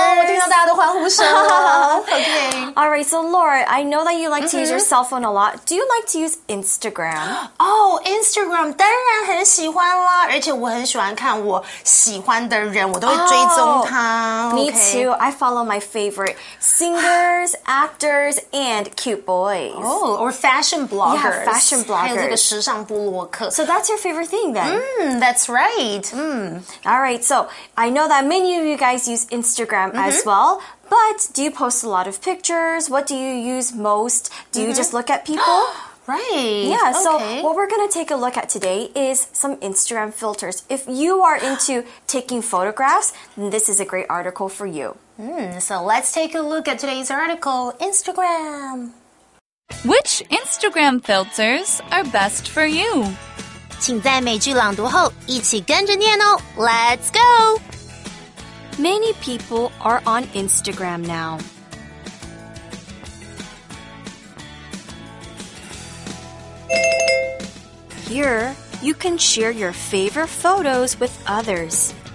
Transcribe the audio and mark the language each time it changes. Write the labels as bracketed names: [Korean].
[Chinese] 我听到大家都欢呼声了。 [English] Okay. Alright, so Laura, I know that you like to use your cell phone a lot. Do you like to use Instagram? [Chinese] Oh, Instagram, 当然很喜欢啦。而且我很喜欢看我喜欢的人，我都会追踪他。 [English] Oh, me too. I follow my favorite singers, actors, and cute boys. Oh, or fashion bloggers. Yeah, fashion bloggers. [Chinese] 还有这个时尚部落客。 [English] So that's your favorite thing then? That's right. Alright, so I know that many of you guys use Instagram as well. But do you post a lot of pictures? What do you use most? Do you just look at people? Right. Yeah, so what we're going to take a look at today is some Instagram filters. If you are into taking photographs, then this is a great article for you. So let's take a look at today's article, Instagram. Which Instagram filters are best for you? [Chinese] 请在每句朗读后一起跟着念哦。 [English] Let's go! Many people are on Instagram now. Here, you can share your favorite photos with others.